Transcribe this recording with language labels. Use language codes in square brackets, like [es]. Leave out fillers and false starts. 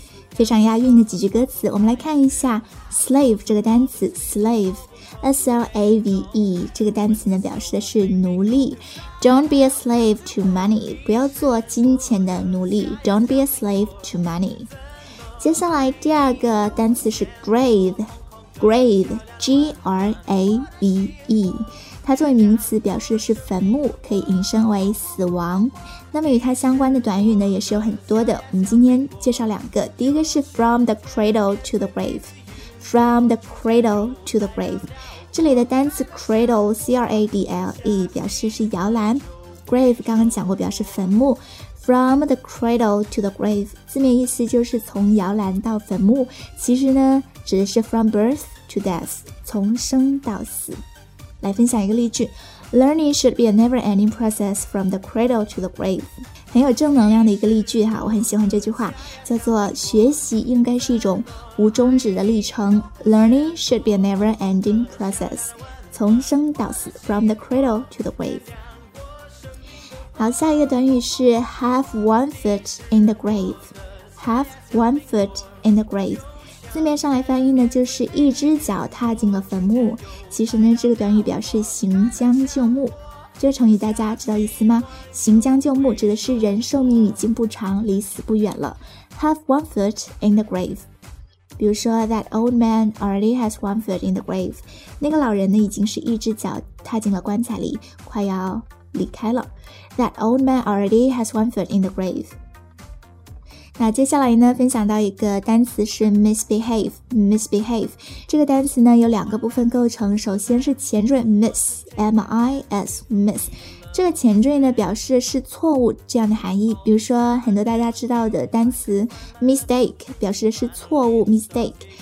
[zh] 非常押韵的几句歌词，我们来看一下 slave 这个单词， slave S-L-A-V-E 这个单词呢表示的是奴隶。 [en] Don't be a slave to money， [zh] 不要做金钱的奴隶， [en] Don't be a slave to money。 [zh] 接下来第二个单词是 grave， grave G-R-A-V-E， 它作为名词表示的是坟墓，可以引申为死亡。那么与它相关的短语呢也是有很多的，我们今天介绍两个。第一个是 [en] from the cradle to the grave， [zh] from the cradle to the grave， 这里的单词 cradle C-R-A-D-L-E 表示是摇篮， grave 刚刚讲过表示坟墓， from the cradle to the grave 字面意思就是从摇篮到坟墓，其实呢指的是 [en] from birth to death， [zh] 从生到死。来分享一个例句， [en] Learning should be a never-ending process from the cradle to the grave。 [zh] 很有正能量的一个例句哈，我很喜欢这句话，叫做学习应该是一种无终止的历程， [en] Learning should be a never-ending process， [zh] 从生到死， [en] from the cradle to the grave。 [zh] 好，下一个短语是 [en] have one foot in the grave， [zh] have one foot in the grave，字面上来翻译呢就是一只脚踏进了坟墓，其实呢这个短语表示行将就木，这个成语大家知道意思吗？行将就木指的是人寿命已经不长，离死不远了， [en] have one foot in the grave， 比如说 that old man already has one foot in the grave， [zh] 那个老人呢已经是一只脚踏进了棺材里，快要离开了， [en] that old man already has one foot in the grave。 [zh] 那接下来呢分享到一个单词是 misbehave， misbehave 这个单词呢有两个部分构成，首先是前缀 miss M-I-S miss， 这个前缀呢表示是错误这样的含义，比如说很多大家知道的单词 mistake 表示是错误， mistake